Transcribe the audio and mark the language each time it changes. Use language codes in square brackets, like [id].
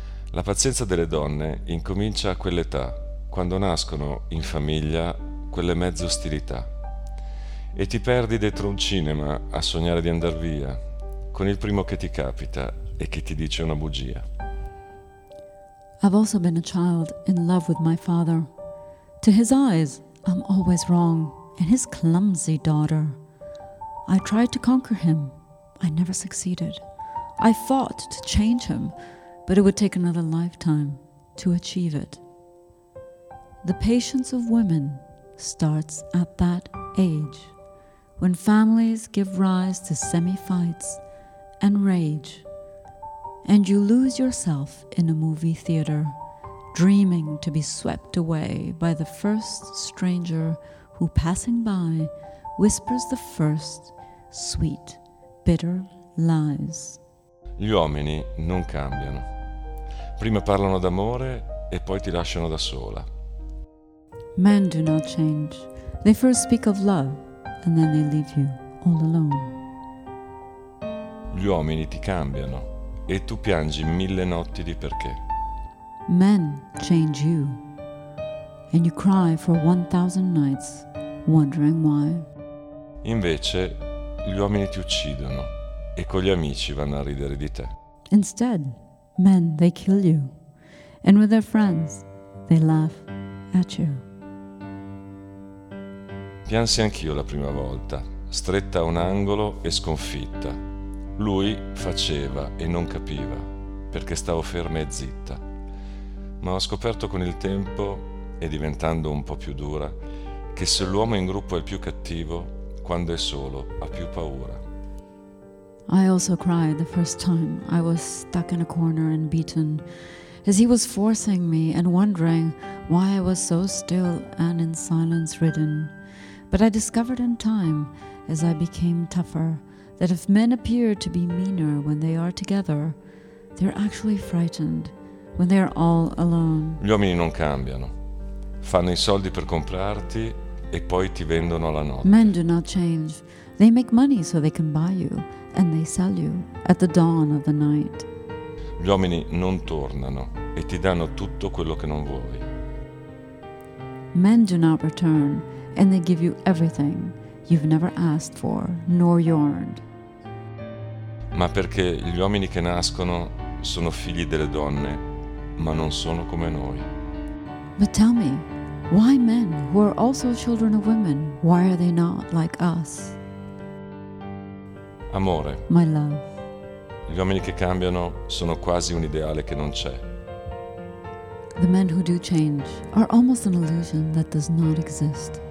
[it] La pazienza delle donne incomincia a quell'età, quando nascono in famiglia quelle mezze ostilità. E ti perdi dentro un cinema a sognare di andar via, con il primo che ti capita e che ti dice una bugia. [en] I've also been a child in love with my father. To his eyes, I'm always wrong, and his clumsy daughter. I tried to conquer him. I never succeeded. I fought to change him, but it would take another lifetime to achieve it. The patience of women starts at that age, when families give rise to semi-fights and rage, and you lose yourself in a movie theater, dreaming to be swept away by the first stranger who, passing by, whispers the first sweet, bitter lies. [it] Gli uomini non cambiano. Prima parlano d'amore e poi ti lasciano da sola. [en] Men do not change. They first speak of love and then they leave you all alone. [it] Gli uomini ti cambiano e tu piangi mille notti di perché. [en] Men change you and you cry for 1,000 nights wondering why. [it] Invece gli uomini ti uccidono e con gli amici vanno a ridere di te. [en] Instead, men they kill you and with their friends they laugh at you. [it] Piansi anch'io la prima volta, stretta a un angolo e sconfitta. Lui faceva e non capiva, perché stavo ferma e zitta. Ma ho scoperto con il tempo, e diventando un po' più dura, che se l'uomo in gruppo è il più cattivo, quando è solo ha più paura. [en] I also cried the first time I was stuck in a corner and beaten, as he was forcing me and wondering why I was so still and in silence ridden. But I discovered in time, as I became tougher, that if men appear to be meaner when they are together, they're actually frightened when they are all alone. [it] Gli uomini non cambiano. Fanno i soldi per comprarti e poi ti vendono la notte. [en] Men do not change. They make money so they can buy you and they sell you at the dawn of the night. [it] Gli uomini non tornano e ti danno tutto quello che non vuoi. [en] Men do not return. And they give you everything you've never asked for nor yearned. [it] Ma perché gli uomini che nascono sono figli delle donne, ma non sono come noi. [en] But tell me, why men who are also children of women, why are they not like us? [it] Amore. [en] My love. [it] Gli uomini che cambiano sono quasi un ideale che non c'è. [en] The men who do change are almost an illusion that does not exist.